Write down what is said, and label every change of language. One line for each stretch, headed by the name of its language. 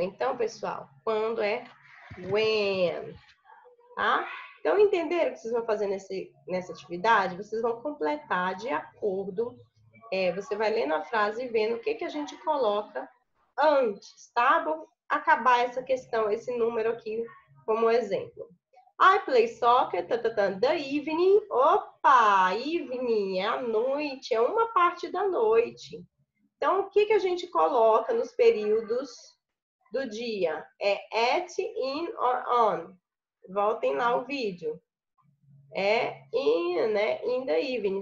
Portuguese: Então, pessoal, quando é when, tá? Então, entenderam o que vocês vão fazer nessa atividade? Vocês vão completar de acordo. É, você vai lendo a frase e vendo o que, que a gente coloca antes, tá? Vou acabar essa questão, esse número aqui como exemplo.
English: I play soccer, the evening.
Portuguese: Opa, evening, é a noite, é uma parte da noite. Então, o que, que a gente coloca nos períodos do dia? É at, in, or on. Voltem lá o vídeo. É in, né?
English: In the evening.